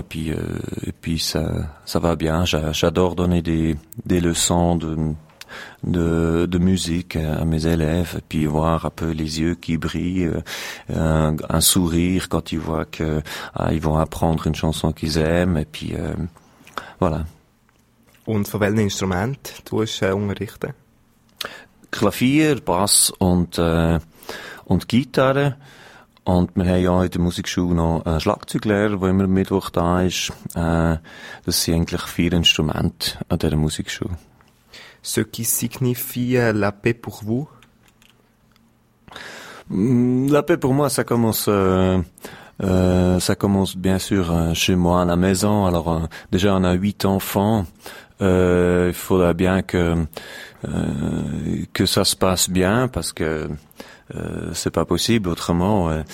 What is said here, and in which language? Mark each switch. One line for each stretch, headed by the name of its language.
French: Et puis ça va bien. J'adore donner des leçons de musique à mes élèves, et puis voir un peu les yeux qui brillent, un sourire quand ils voient que ils vont apprendre une chanson qu'ils aiment, et puis voilà.
German: Und von welchen Instrumenten tust du unterrichten? Klavier, Bass und Gitarre. Und wir haben ja in der Musikschule noch einen Schlagzeuglehrer, der immer Mittwoch da ist. Das sind eigentlich vier Instrumente an dieser Musikschule.
French: Ce qui signifie la paix pour vous? La paix pour moi, ça commence Ça commence bien sûr chez moi à la maison. Alors déjà on a 8 enfants. Il faudra bien que ça se passe bien parce que c'est pas possible autrement.